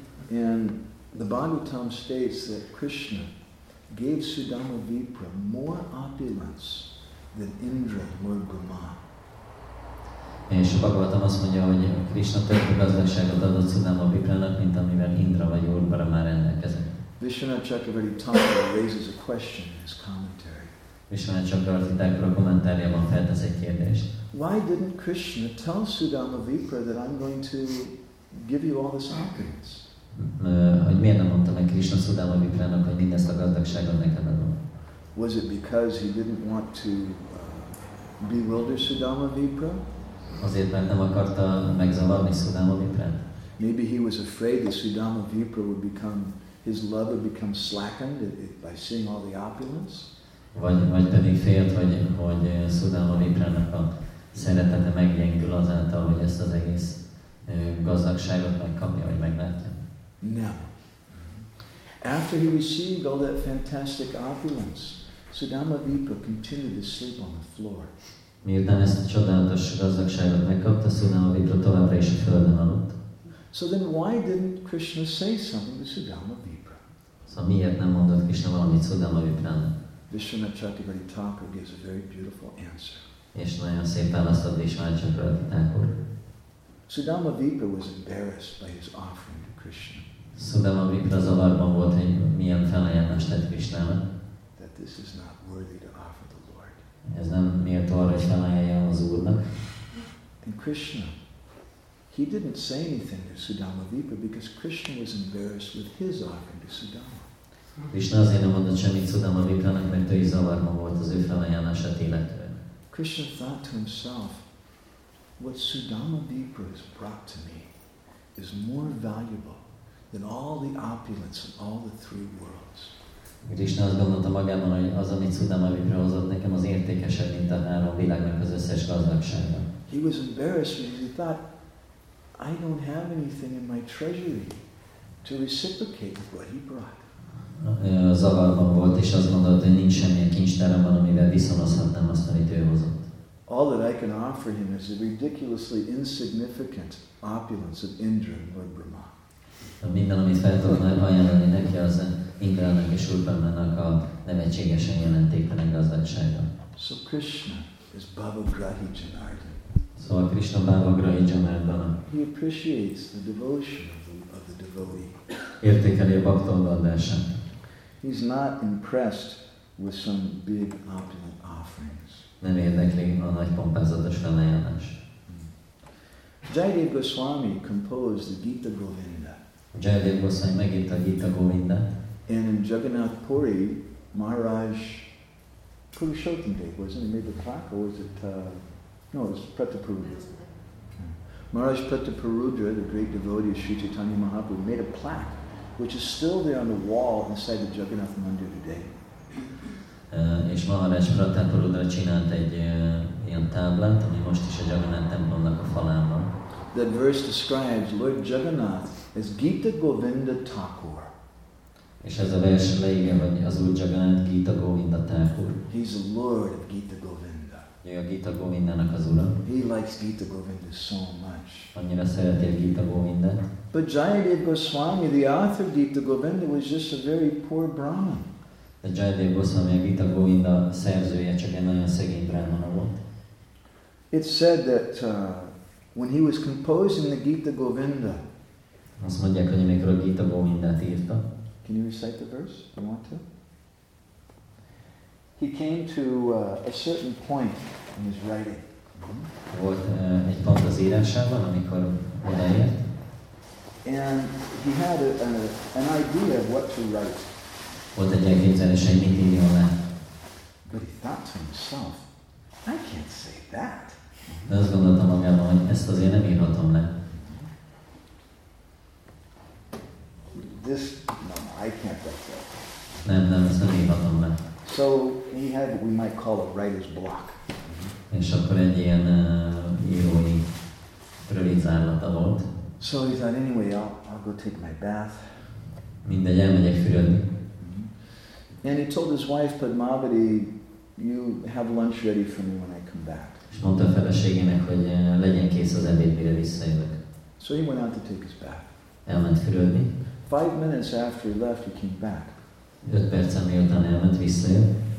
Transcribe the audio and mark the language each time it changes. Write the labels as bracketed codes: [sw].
[en] And the Bhagavatam states that Krishna gave Sudama Vipra more opulence than Indra, Lord Brahma. [hu] És a Bhagavatam azt mondja, hogy Krishna több gazdagságot adott Sudama Vipranak, mint amivel Indra vagy Úr Brahma rendelkezett. [en] Vishnu Chakrabarti Thakura raises a question in his commentary. [hu] Vishnu Chakrabarti Thakura kommentáriában feltesz egy kérdést. [en] Why didn't Krishna tell Sudama Vipra that I'm going to give you all this opulence? [hu] Hogy miért nem mondta meg Krishna Sudama Vipranak, hogy mindezt a gazdagságot neked adom? [en] Was it because he didn't want to bewilder Sudama Vipra? [hu] Azért, mert nem akarta megzavarni Sudama Viprát. [en] Maybe he was afraid that Sudama Vipra would become his love would become slackened by seeing all the opulence. [hu] Vagy pedig félt, hogy Sudama Viprának a szeretete meggyengül azáltal, hogy ezt az egész gazdagságot megkapja, vagy meglátja. [en] No. After he received all that fantastic opulence, Sudama Vipa continued to sleep on the floor. [hu] Miután ezt a csodálatos gazdagságot megkapta, Sudama Vipa továbbra is a földön aludt. [en] So then why didn't Krishna say something to Sudama Vipra? [hu] Szóval miért nem mondott Krishna valamit Sudama Vipra-nak? [en] Vishwanath Chakravarti Thakur gives a very beautiful answer. [hu] És nagyon szép választ ad Vishwanath Chakravarti Thakur. [en] Sudama Vipra was embarrassed by his offering to Krishna. [hu] Sudama Vipra zavarban volt, hogy milyen felajánlást tett Krishnának. [en] That this is not worthy to offer the Lord. [hu] Ez nem méltó arra, hogy felajánlja az Úrnak. [en] And Krishna, he didn't say anything to Sudama Vipra because Krishna was embarrassed with his offering to Sudama. [hu] Krishna azért nem mondott semmit Sudama Vipranak, mert ő is zavarban volt az ő felajánlását illetően. [en] Krishna thought to himself, what Sudama Vipra has brought to me is more valuable than all the opulence of all the three worlds. [hu] Krishna azt gondolta magában, hogy az, amit Sudama Vipra hozott nekem, az értékesebb, mint a három világnak az összes gazdagsága. [en] He was embarrassed because he thought, I don't have anything in my treasury to reciprocate with what he brought. [hu] Zavarban volt, és azt gondolta, hogy nincs semmi a kincstáramban, amivel viszonozhatnám azt, amit ő hozott. [en] All that I can offer him is a ridiculously insignificant opulence of Indra and Lord Brahma. [hu] Minden, amit fel tudnak ajánlani neki, az Indrának és Urbanának a nevetségesen jelentéktelen gazdagsága. [en] So Krishna is Baba Grahi Janardana. [hu] Szóval Krishna Bhava Grahi Janardana. [en] He appreciates the devotion of the devotee. [hu] Értékeli a baktolgaldását. [en] He's not impressed with some big opulent offerings. [hu] Nem érdekli a nagy pompázatos felajánlás. [en] Jayadev Goswami composed the Gita Govinda. [hu] Jayadev Goswami megírta a Gita Govinda. [en] And in Jagannath Puri, Maharaj Purushottam Dev, wasn't he? Made the clock, or was it No, it was Pratapurudra. Maharaj Pratapurudra, the great devotee of Sri Chaitanya Mahaprabhu, made a plaque, which is still there on the wall inside the Jagannath Mandir today. [hu] És Maharaj Pratapurudra csinált egy ilyen táblát, ami most is a Jagannath templomnak a falán van. [en] That verse describes Lord Jagannath as Gita Govinda Thakur. [hu] És ez a vers leírja, hogy az Úr Jagannath Gita Govinda Thakur. [en] He's the Lord of Gita Govinda. [hu] Ő a Gita Govindának az ura. [en] He likes Gita Govinda so much. [hu] Annyira szereti a Gita Govindát. [en] But Jayadev Goswami, the author of Gita Govinda, was just a very poor Brahman. [hu] De Jayadev Goswami, a Gita Govinda szerzője, csak egy nagyon szegény Brahmana volt. [en] It said that when he was composing the Gita Govinda, [hu] azt mondják, hogy amikor a Gita Govindát írta. [en] Can you recite the verse? Do you want to? He came to a certain point in his writing. [hu] Volt egy pont az írásában, amikor odaért. [en] And he had an idea of what to write. [hu] Volt egy elképzelés, hogy mit írjon le. [en] But he thought to himself, I can't say that. [hu] De azt gondolta magában, hogy ezt azért nem írhatom le. [en] This, no, I can't write that. [hu] Nem, ezt nem írhatom le. [en] So he had what we might call a writer's block. [hu] És akkor egy ilyen írói rövidzárlata volt. [en] So he thought, anyway, I'll go take my bath. [hu] Mindegy, elmegyek fürödni. [en] And he told his wife, Padmavati, you have lunch ready for me when I come back. [hu] És mondta a feleségének, hogy legyen kész az ebéd, mire visszajövök. [en] So he went out to take his bath. [hu] Elment fürödni. [en] 5 minutes after he left, he came back. [hu] 5 percen miután elment, visszajött.